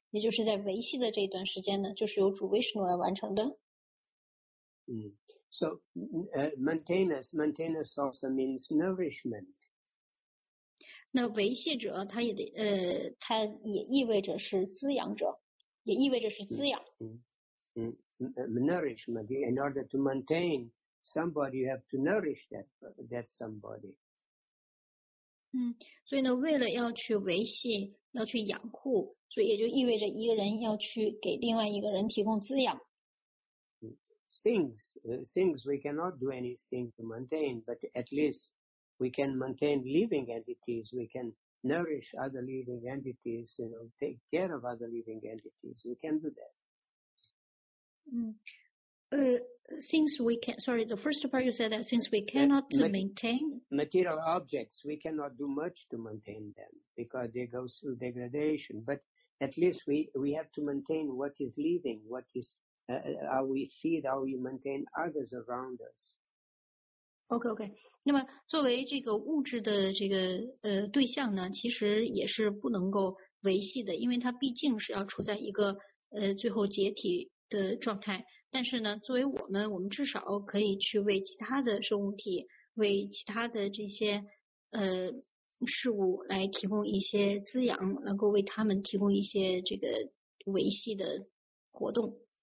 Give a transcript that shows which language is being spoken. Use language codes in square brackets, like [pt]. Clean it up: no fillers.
[zh] 也就是在维系的这一段时间呢，就是由主维什诺来完成的。 [en] So maintenance also means nourishment. [zh] 那维系者他也得他也意味着是滋养者，也意味着是滋养。 [en] Nourishment. In order to maintain somebody, you have to nourish that somebody. [zh] 所以呢，为了要去维系，要去养护。所以也就意味着一个人要去给另外一个人提供滋养。 [en] Things we cannot do anything to maintain, but at least we can maintain living entities. We can nourish other living entities, you know, take care of other living entities. We can do that. The first part you said that since we cannot maintain material objects, we cannot do much to maintain them because they go through degradation, but at least we have to maintain what is living, what is how we feed, how we maintain others around us. Okay. [zh] 那么作为这个物质的这个对象呢，其实也是不能够维系的，因为它毕竟是要处在一个最后解体的状态。但是呢，作为我们至少可以去为其他的生物体，为其他的这些事物来提供一些滋养，能够为他们提供一些这个维系的活动。